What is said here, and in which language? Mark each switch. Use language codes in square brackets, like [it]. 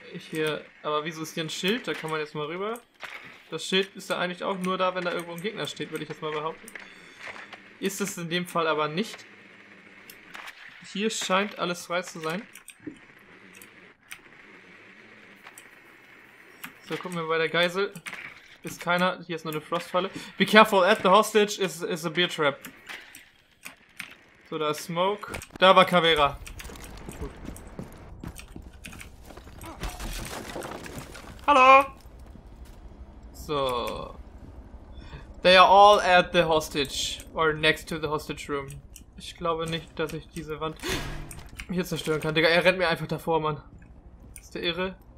[de] Hier, aber wieso ist hier ein Schild? Da kann man jetzt mal rüber. Das Schild ist ja eigentlich auch nur da, wenn da irgendwo ein Gegner steht, würde ich jetzt mal behaupten. Ist es in dem Fall aber nicht. Hier scheint alles frei zu sein. So, gucken wir bei der Geisel. Ist keiner, hier ist nur eine Frostfalle. [en] Be careful, at the hostage is a beer trap. [de] So, da ist Smoke. Da war Kavera. Hallo! So. [en] They are all at the hostage. Or next to the hostage room. [de] Ich glaube nicht, dass ich diese Wand hier zerstören kann. Digga, er rennt mir einfach davor, Mann. Ist der irre?